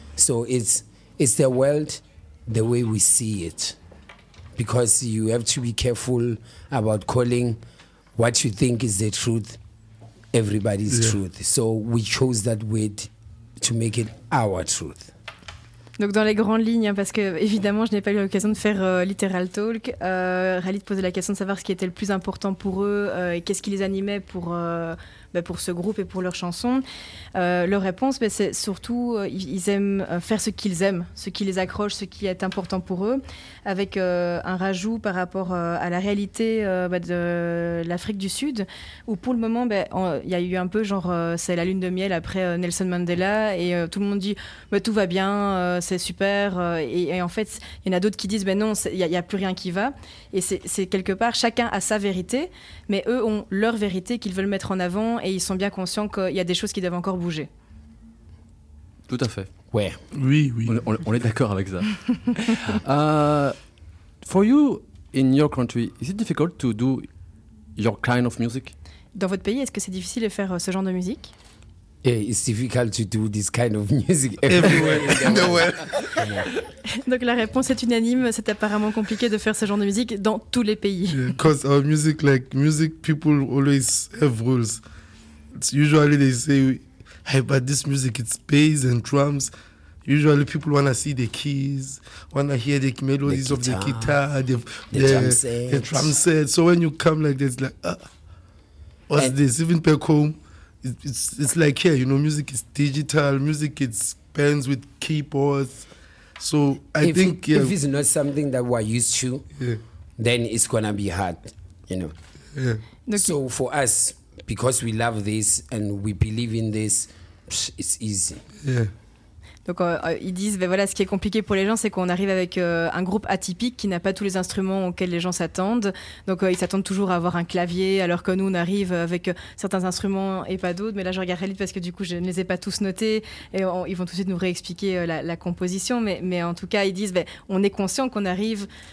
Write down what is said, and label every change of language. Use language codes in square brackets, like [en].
[en] So it's the world the way we see it. Because you have to be careful about calling what you think is the truth everybody's truth. So we chose that word to make it our truth. [fr] Donc dans les grandes lignes, parce que évidemment je n'ai pas eu l'occasion de faire Literal Talk, Khalid posait la question de savoir ce qui était le plus important pour eux et qu'est-ce qui les animait pour ce groupe et pour leurs chansons. Leur réponse, c'est surtout ils aiment faire ce qu'ils aiment, ce qui les accroche, ce qui est important pour eux, avec un rajout par rapport à la réalité de l'Afrique du Sud, où pour le moment, il y a eu un peu genre c'est la lune de miel après Nelson Mandela, et tout le monde dit tout va bien, c'est super, et en fait, il y en a d'autres qui disent non, il n'y a plus rien qui va, et c'est quelque part, chacun a sa vérité, mais eux ont leur vérité qu'ils veulent mettre en avant, et ils sont bien conscients qu'il y a des choses qui doivent encore bouger. Tout à fait. Ouais. Oui, oui. On est d'accord avec ça. [en] For you, in your country, is it difficult to do your kind of music? [fr] Dans votre pays, est-ce que c'est difficile de faire ce genre de musique? [en] Yeah, it's difficult to do this kind of music everywhere. [fr] Donc la réponse est unanime, c'est apparemment compliqué de faire ce genre de musique dans tous les pays. [en] Because our music, like music, people always have rules. It's usually they say, hey, but this music, it's bass and drums. Usually people want to see the keys, want to hear the melodies of the guitar, the drum set. So when you come like this, like, what's and this? Even back home, it's like here, you know, music is digital, music is bands with keyboards. So if it's not something that we're used to, then it's gonna be hard, you know. Yeah. Okay. So for us, because we love this and we believe in this, it's easy. Yeah. [fr] Donc ils disent, ce qui est compliqué pour les gens, c'est qu'on arrive avec un groupe atypique qui n'a pas tous les instruments auxquels les gens s'attendent. Donc ils s'attendent toujours à avoir un clavier, alors que nous, on arrive avec certains instruments et pas d'autres. Mais là, je regarde Khalid parce que du coup, je ne les ai pas tous notés. Et ils vont tout de suite nous réexpliquer la composition. Mais en tout cas, ils disent, on est conscient qu'on arrive